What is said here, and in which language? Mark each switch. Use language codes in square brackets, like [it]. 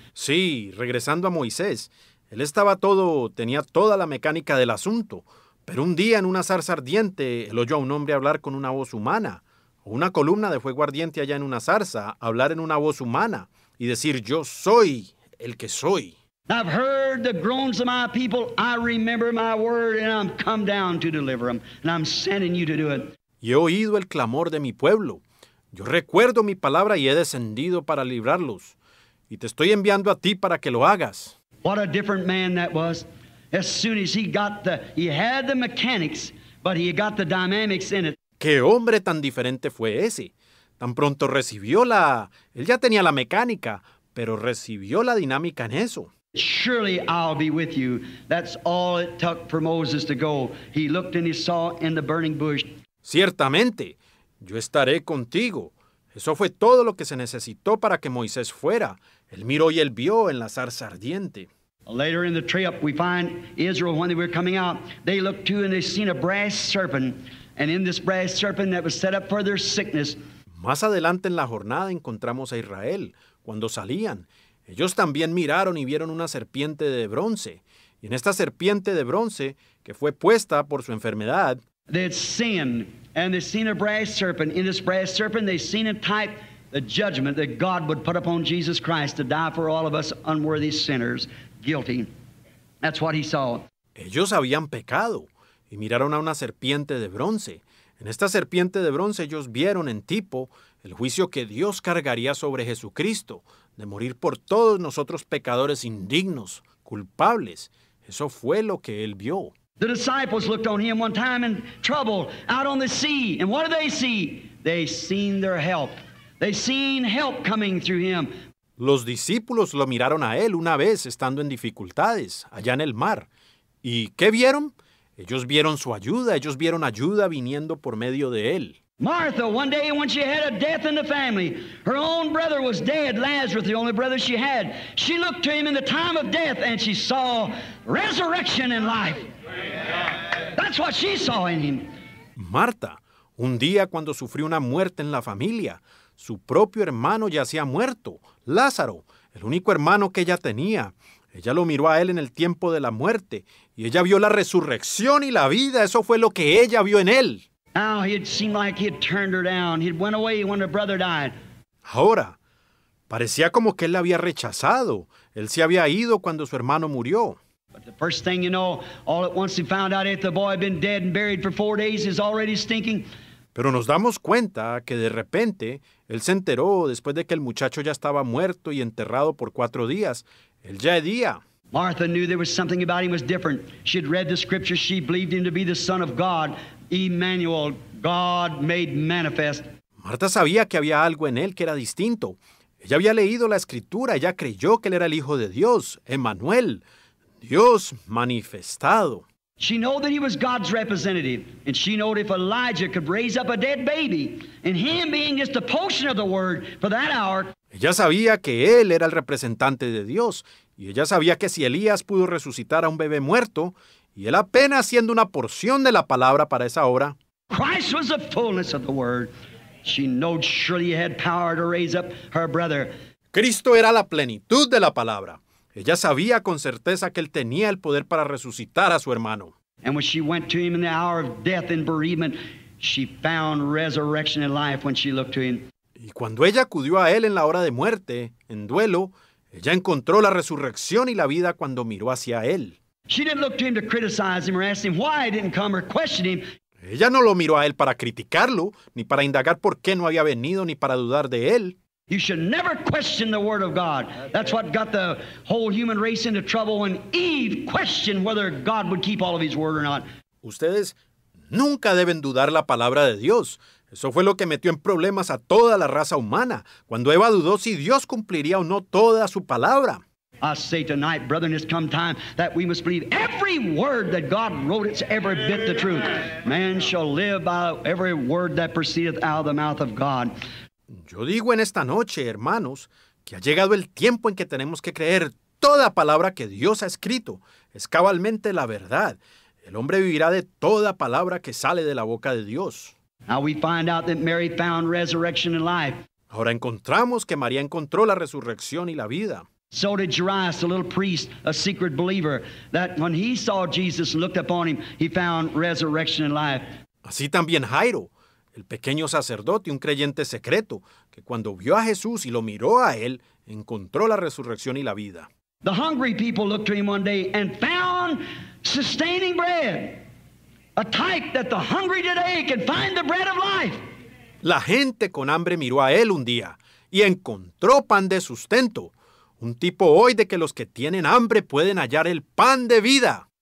[es] Sí, regresando a Moisés, él estaba todo, tenía toda la mecánica del asunto, pero un día en una zarza ardiente, él oyó a un hombre hablar con una voz humana, o una columna de fuego ardiente allá en una zarza, hablar en una voz humana y decir, yo soy el que soy. [en] I've heard the groans of my people. I remember my word, and I'm come down to deliver them, and I'm sending you to do it. [es] Y he oído el clamor de mi pueblo. Yo recuerdo mi palabra y he descendido para librarlos. Y te estoy enviando a ti para que lo hagas. [en] What a different man that was. As soon as he had the mechanics, but he got the dynamics in it. [es] ¿Qué hombre tan diferente fue ese? Tan pronto recibió la... Él ya tenía la mecánica, pero recibió la dinámica en eso. [en] Surely I'll be with you. That's all it took for Moses to go. He looked and he saw in the burning bush. [es] Ciertamente, yo estaré contigo. Eso fue todo lo que se necesitó para que Moisés fuera. Él miró y él vio en la zarza ardiente. [en] Later in the trip, we find Israel, when they were coming out, they looked too and they seen a brass serpent. And in this brass serpent that was set up for their sickness. [es] Más adelante en la jornada encontramos a Israel, cuando salían. Ellos también miraron y vieron una serpiente de bronce. Y en esta serpiente de bronce, que fue puesta por su enfermedad, [en] they'd sinned, and they seen a brass serpent. In this brass serpent, they seen a type, the judgment that God would put upon Jesus Christ to die for all of us unworthy sinners, guilty. That's what he saw. [es] Ellos habían pecado, y miraron a una serpiente de bronce. En esta serpiente de bronce, ellos vieron en tipo el juicio que Dios cargaría sobre Jesucristo, de morir por todos nosotros pecadores indignos, culpables. Eso fue lo que él vio. [en] The disciples looked on him one time in trouble, out on the sea. And what did they see? They seen their help. They seen help coming through him. [es] Los discípulos lo miraron a él una vez estando en dificultades, allá en el mar. ¿Y qué vieron? Ellos vieron su ayuda. Ellos vieron ayuda viniendo por medio de él. [en] Martha, one day when she had a death in the family, her own brother was dead, Lazarus, the only brother she had. She looked to him in the time of death and she saw resurrection and life. That's what she saw in him. [es] Marta, un día cuando sufrió una muerte en la familia, su propio hermano ya se ha muerto, Lázaro, el único hermano que ella tenía. Ella lo miró a él en el tiempo de la muerte, y ella vio la resurrección y la vida. Eso fue lo que ella vio en él. [en] Now it seemed like he'd turned her down. He'd went away when her brother died. [es] Ahora, parecía como que él la había rechazado. Él se había ido cuando su hermano murió. [en] But the first thing you know, all at once he found out if the boy had been dead and buried for 4 days, he's already stinking. [es] Pero nos damos cuenta que de repente, él se enteró después de que el muchacho ya estaba muerto y enterrado por 4 días. Él ya hedía. [en] Martha knew there was something about him was different. She had read the scriptures. She believed him to be the Son of God, Emmanuel, God made manifest. [es] Marta sabía que había algo en él que era distinto. Ella había leído la escritura. Ella creyó que él era el Hijo de Dios, Emmanuel, Dios manifestado. [en] She knew that he was God's representative, and she knew if Elijah could raise up a dead baby, and him being just a portion of the word for that hour. [es] Ella sabía que él era el representante de Dios, y ella sabía que si Elías pudo resucitar a un bebé muerto, y él apenas siendo una porción de la palabra para esa obra. [en] Christ was the fullness of the word. She knew surely he had power to raise up her brother. [es] Cristo era la plenitud de la palabra. Ella sabía con certeza que él tenía el poder para resucitar a su hermano. [en] And when she went to him in the hour of death and bereavement, she found resurrection and life when she looked to him. [es] Y cuando ella acudió a él en la hora de muerte, en duelo, ella encontró la resurrección y la vida cuando miró hacia él. [en] She didn't look to him to criticize him or ask him why he didn't come or question him. [es] Ella no lo miró a él para criticarlo, ni para indagar por qué no había venido, ni para dudar de él. [en] You should never question the word of God. That's what got the whole human race into trouble when Eve questioned whether God would keep all of his word or not. [es] Ustedes nunca deben dudar la palabra de Dios. Eso fue lo que metió en problemas a toda la raza humana, cuando Eva dudó si Dios cumpliría o no toda su palabra. [en] I say tonight, brethren, it's come time that we must believe every word that God wrote. It's every bit the truth. Man shall live by every word that proceedeth out of the mouth of God. [es] Yo digo en esta noche, hermanos, que ha llegado el tiempo en que tenemos que creer toda palabra que Dios ha escrito. Es cabalmente la verdad. El hombre vivirá de toda palabra que sale de la boca de Dios. [en] Now we find out that Mary found resurrection and life. [es] Ahora encontramos que María encontró la resurrección y la vida. [en] So did Jairus, a little priest, a secret believer, that when he saw Jesus and looked upon him, he found resurrection and life. [es] Así también Jairo, el pequeño sacerdote, un creyente secreto, que cuando vio a Jesús y lo miró a él, encontró la resurrección y la vida. [en] The hungry people looked to him one day and found sustaining bread, a type that the hungry today can find the bread of life. [es] La gente con hambre miró a él un día y encontró pan de sustento. Un tipo hoy de que los que tienen hambre pueden hallar el pan de vida.